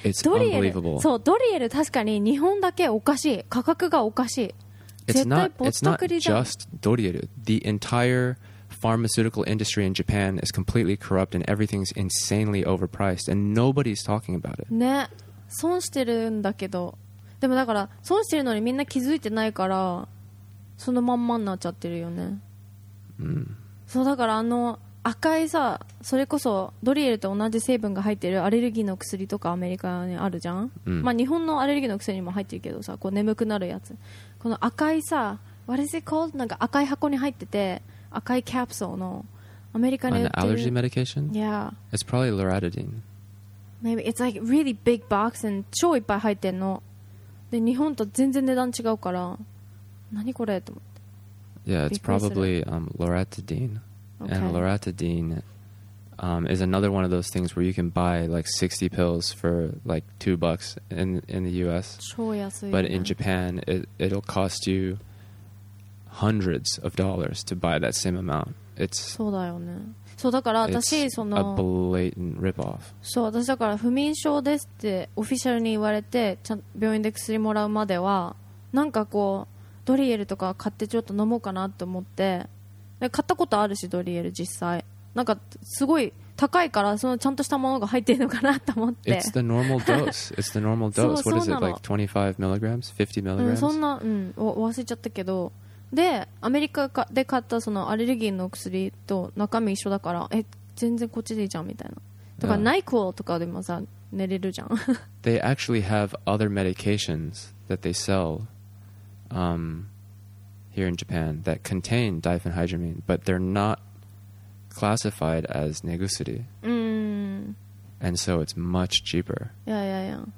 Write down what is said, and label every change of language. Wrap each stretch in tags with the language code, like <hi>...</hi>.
<en>It's unbelievable.</en> <ja>そう、Dorieru 確かに日本だけおかしい。価格がおかしい。</ja> <en>It's not just Dorieru. The entire pharmaceutical industry in Japan is completely corrupt and everything's insanely overpriced and nobody's talking about it.</en> <ja>ね、損してるんだけど。でもだから損してるのにみんな気づいてないからそのまんまになっちゃってるよね。うん。そうだからあの赤いさ、それこそドリエルと同じ成分が入ってるアレルギーの薬とかアメリカにあるじゃん、うん、まあ日本のアレルギーの薬にも入ってるけどさ、こう眠くなるやつ、この赤いさ、</ja> <en>What is it called?</en> <ja>なんか赤い箱に入ってて、赤いキャプソルのアメリカに売ってる、</ja> <en>An allergy medication? Yeah. It's probably loratadine. Maybe it's like really big box and</en> <ja>超いっぱい入ってんので、日本と全然値段違うから何これと思って。</ja> <en>Yeah, it's probably loratadine Okay. And loratadine is another one of those things where you can buy like 60 pills for like $2 in the US. But in Japan, it'll cost you hundreds of dollars to buy that same amount. It's,</en> <ja>そうだよね。そうだから私その</ja> <en>a blatant rip-off.</en> <ja>そう、私だから不眠症ですってオフィシャルに言われて、ちゃん病院で薬もらうまではなんかこうドリエルとか買ってちょっと飲もうかなと思って買ったことあるし、ドリエル実際なんかすごい高いから、そのちゃんとしたものが入ってるのかなと思って。</ja> <en>It's the normal dose. It's the normal dose. What is it? Like 25 milligrams? 50 milligrams?</en> <ja>そんな、うん、忘れちゃったけど、でアメリカで買ったそのアレルギーの薬と中身一緒だから、え、全然こっちでいいじゃんみたいな。だからナイコールとかでもさ寝れるじゃん。</ja> <en>They actually have other medications that they sell here in Japan that contain diphenhydramine, but they're not classified as negusuri. And so it's much cheaper. Yeah, yeah, yeah.</en>